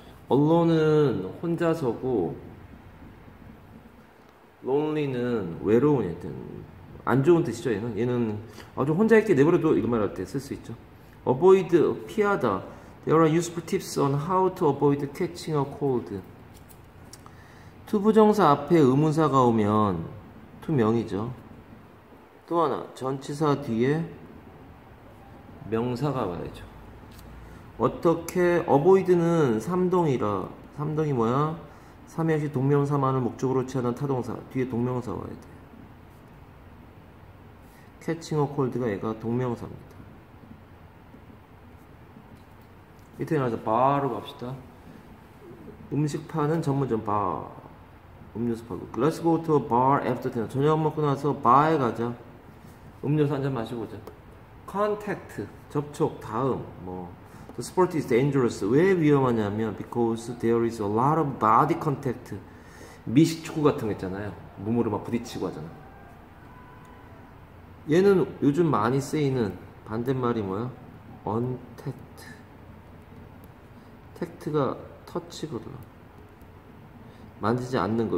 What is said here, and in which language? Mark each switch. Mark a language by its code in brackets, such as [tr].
[ko] alone은 혼자서고 lonely는 외로운이 되는 안 좋은 뜻이죠. 얘는 아주 혼자 있게 내버려둬 이런 말할 때쓸수 있죠. avoid 피하다. [en] There are useful tips on how to avoid catching a cold. [ko] to 부정사 앞에 의문사가 오면 to 명이죠. 또 하나, 전치사 뒤에 명사가 와야죠. 어떻게 avoid는 삼동이라 삼동이 뭐야? 삼행시 동명사만을 목적으로 취하는 타동사 뒤에 동명사 와야 돼요. catching a cold가 얘가 동명사입니다. 밑에 나와서 바로 갑시다. 음식 파는 전문점 바. 음료수 파고. [en] Let's go to a bar after dinner. [ko] 저녁 먹고 나서 바에 가자. 음료수 한잔 마시고 오자. [en] Contact. [ko] 접촉. 다음. 뭐. [en] The sport is dangerous. [ko] 왜 위험하냐면, [en] because there is a lot of body contact. [ko] 미식 축구 같은 거 있잖아요. 몸으로 막 부딪히고 하잖아. 얘는 요즘 많이 쓰이는 반대말이 뭐야? [en] Untact. [ko] 택트가 터치거든. 만지지 않는 거.